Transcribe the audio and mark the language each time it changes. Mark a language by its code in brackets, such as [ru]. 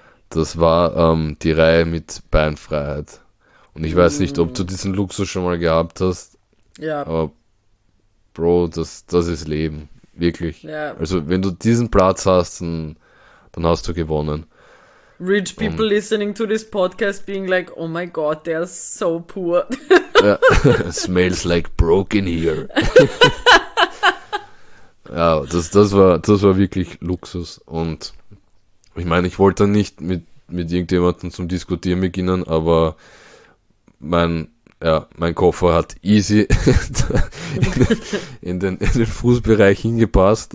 [de] Das war die Reihe mit Beinfreiheit. Und ich weiß nicht, ob du diesen Luxus schon mal gehabt hast, Ja. aber Bro, das ist Leben. Wirklich. Ja. Also, wenn du diesen Platz hast, dann hast du gewonnen. [en] Rich people [de] Und [en] listening to this podcast being like, oh my god, they are so poor. ja, smells like broken here. [de] Ja, das war wirklich Luxus. Und ich meine, ich wollte nicht mit irgendjemandem zum Diskutieren beginnen, aber mein Koffer hat easy in den Fußbereich hingepasst.